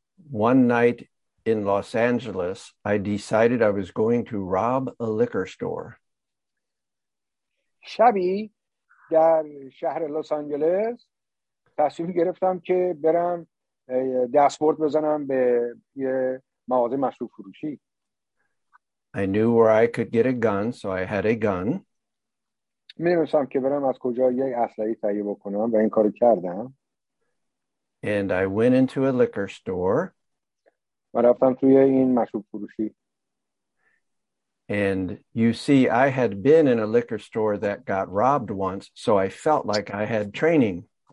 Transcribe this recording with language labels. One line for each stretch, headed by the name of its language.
English: One night in Los Angeles, I decided I was going to rob a liquor store.
Persian: شبی در شهر لس آنجلس تصمیم گرفتم که برم دستبرد بزنم به یه مغازه مشروب فروشی.
English: I knew where I could get a gun, so I had a gun.
Persian: می‌دونستم که برم از کجا یک اسلحه تهیه بکنم و این کارو کردم.
English: And I went into a liquor store.
Persian: و رفتم توی این مشروب فروشی.
English: And you see, I had been in a liquor store that got robbed once, so I felt like I had training.